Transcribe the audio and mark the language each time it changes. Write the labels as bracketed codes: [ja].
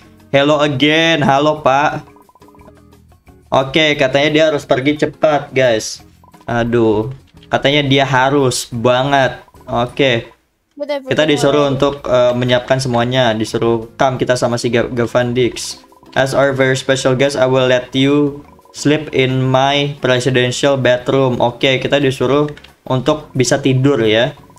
[en] Hello again, [id] halo pak. Oke, katanya dia harus pergi cepat, guys. Aduh, katanya dia harus banget. Oke. Kita disuruh untuk menyiapkan semuanya. Disuruh [en] come [id] kita sama si Gavandix. [en] As our very special guest, I will let you sleep in my presidential bedroom. [id] Oke, okay, kita disuruh untuk bisa tidur ya.